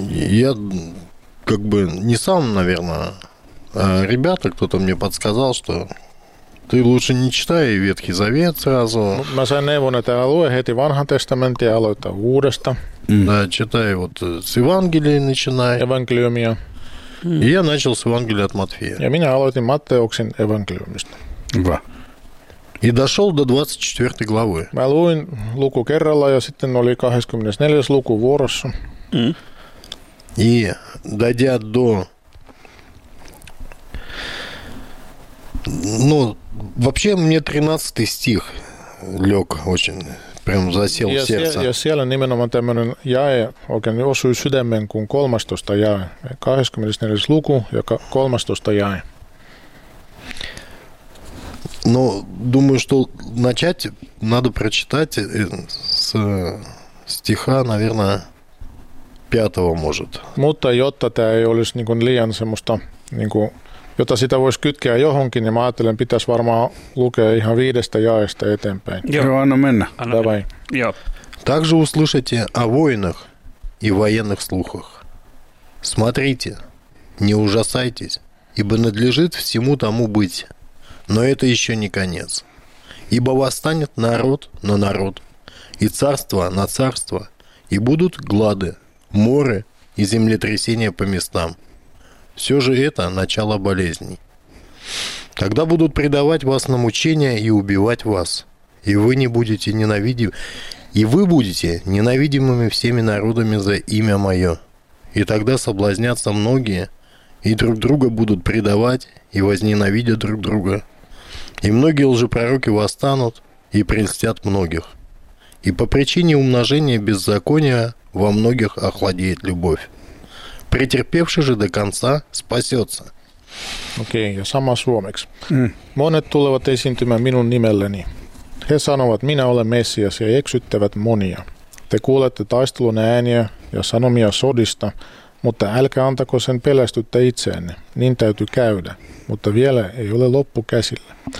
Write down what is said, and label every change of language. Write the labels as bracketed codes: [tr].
[ru] Я как бы не сам, наверное, а ребята, кто-то мне подсказал, что ты лучше не читай Ветхий Завет сразу. [fi] Mä sain neuvon, että lue heti Vanhan testamentin ja aloita uudesta. [ru] Да, читай вот с Евангелия начинай. Евангелиумия. И я начал с Евангелия от Матфея. [fi] Ja minä aloitin Matteuksen evankeliumista. Hyvä. [ru] И дошел до 24 главы. [fi] Mä luin luku kerralla ja sitten oli 24 luku vuorossa. [ru] И дойдя до... Ну, вообще мне 13 стих лег очень... Прям засел в сердце. [fi] Ja siellä nimenomaan tämmöinen jae oikein osui sydämen kuin 13 jae. 24 luku ja 13 jae. [ru] Но думаю, что начать надо прочитать с стиха, наверное, 5-го может. [fi] Mutta jotta tämä ei olisi niin kuin liian semmoista, niin kuin, jotta sitä voisi kytkeä johonkin, niin mä ajattelen, että pitäisi varmaan lukea ihan 5 jaesta eteenpäin. Joo, anna mennä. [ru] Давай. [fi] Joo. [ru] Также услышите о войнах и военных слухах. Смотрите, не ужасайтесь, ибо надлежит всему тому быть. Но это еще не конец. Ибо восстанет народ на народ, и царство на царство, и будут глады, моры и землетрясения по местам. Все же это начало болезней. Тогда будут предавать вас на мучения и убивать вас, и вы не будете ненавидимы, и вы будете ненавидимыми всеми народами за имя мое. И тогда соблазнятся многие, и друг друга будут предавать, и возненавидят друг друга. И многие лжепророки восстанут и прельстят многих. И по причине умножения беззакония во многих охладеет любовь. Претерпевший же до конца спасется. [fi] Окей, okay, ja sama suomeksi. Monet tulevat esiintymään minun nimelleni. He sanovat, minä olen Messias ja eksyttävät monia. Te kuulette taistelun ääniä ja sanomia sodista, mutta älkää antako sen pelästyttä itseänne. Niin täytyy käydä. Mutta vielä ei ole loppu käsillä.